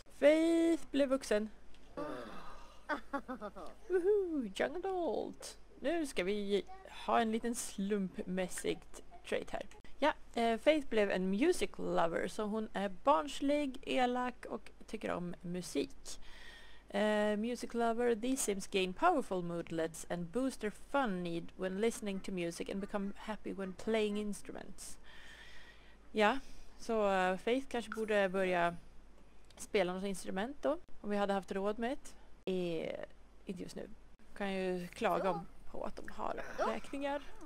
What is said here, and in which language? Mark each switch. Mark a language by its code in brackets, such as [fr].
[sv] Faith blev vuxen. [en] Woohoo, young adult. [sv] Nu ska vi ha en liten slumpmässigt trait här. Ja, Faith blev en music lover, så hon är barnslig, elak och tycker om musik. [en] Music lover, these sims gain powerful moodlets and boost their fun need when listening to music and become happy when playing instruments. [sv] Ja, så Faith kanske borde börja spela något instrument då, om vi hade haft råd med ett. Inte just nu. Kan ju klaga på att de har räkningar.